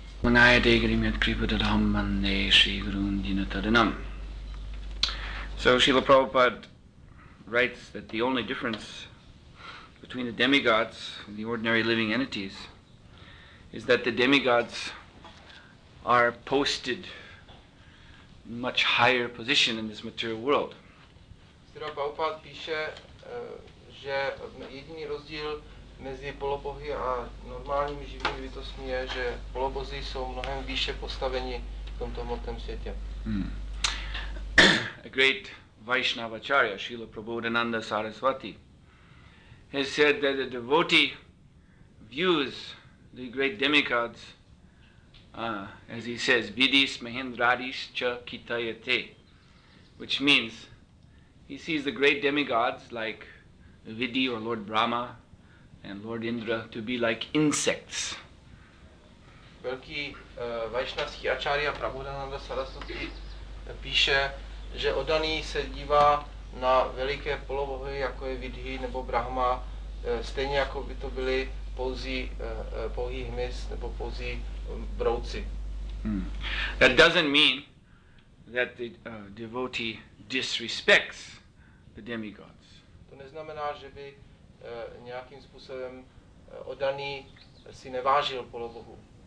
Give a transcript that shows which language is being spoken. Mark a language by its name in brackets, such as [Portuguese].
[English] So Srila Prabhupada writes that the only difference between the demigods and the ordinary living entities is that the demigods are posted in much higher position in this material world. [Czech] Srila Prabhupada píše, že jediný rozdíl mezi polobohy a normálními živými bytostmi je, že polobozy jsou mnohem výše postaveni v tomto hmotném světě. [English] A great Vaishnavacharya, Srila Prabhudananda Saraswati, has said that the devotee views the great demigods, as he says, [Sanskrit] vidis mahendradis cha kitayate, [English] which means he sees the great demigods like Vidhi or Lord Brahma, and Lord Indra to be like insects. [Czech] Velký vaishnavský acharya Prabhudananda Saraswati píše, že oddaný se dívá na veliké polobohy, jako je Vidhi nebo Brahma, stejně jako by to byly pouhý hmyz nebo pouzí brouci. [English] That doesn't mean that the devotee disrespects the demigods. [Czech] To neznamená, že by nějakým způsobem oddaný si nevážil polobohu.